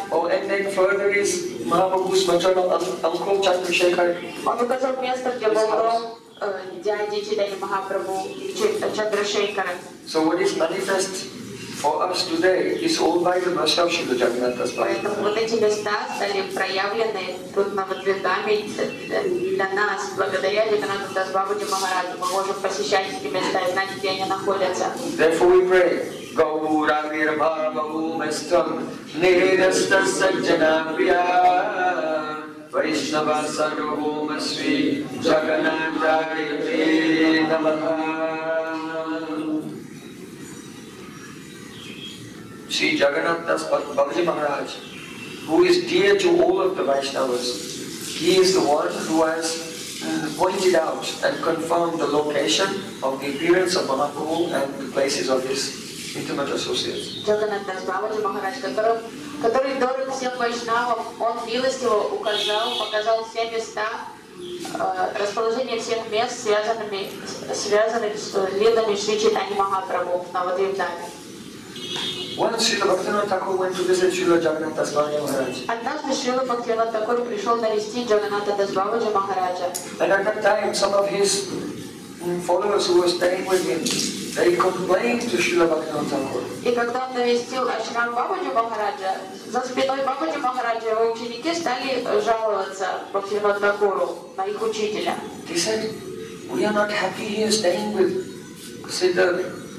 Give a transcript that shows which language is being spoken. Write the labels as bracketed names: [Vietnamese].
[English] Oh, and then further is Mahaprabhu's maternal uncle Chandrasekhar. [Russian] Он показал место, где был дом дяди Чайтанья Махапрабху, Чандрашейкара. [English] So what is manifest for us today is all by the mercy of Srila Jagannatha Das Babaji. [Russian] Поэтому вот эти места стали проявлены тут на Вадвиндаве для нас, благодаря Джаганнатха Дас Бабаджи Махараджу. Мы можем посещать эти места и знать, где они находятся. [English] Therefore we pray, [Sanskrit] Gaura Nirbhava Bhumastam Nirastha Sajjana Priya Vaishnava Sarvabhauma Sri Jagannatha Ripe Namaha. [English] Sri Jagannatha Babaji Maharaj, who is dear to all of the Vaishnavas, he is the one who has pointed out and confirmed the location of the appearance of Mahaprabhu and the places of his intimate associates. [Russian] Jagannatha Babaji Maharaj, который дорог всем Вайшнавам, он милостиво указал, показал все места, расположение всех мест, связанных с лилами Шри Чайтаньи Махапрабху на Вадвиндаве. [English] Once Srila Bhaktivinoda Thakur went to visit Srila Jagannatha Das Babaji Maharaja. [Russian] Однажды Srila Bhaktivinoda Thakur пришел навести Джаганнатха Дас Бабаджи Махараджа. [English] And at that time, some of his followers who were staying with him that he complained to Srila Bhaktivinoda Thakur. [Russian] И когда он навестил ашрам Бабаджи Махараджа, за спиной Бабаджи Махараджа его ученики стали жаловаться Бхактивинода Такуру на их учителя. [English] He said, we are not happy here staying with Siddhar.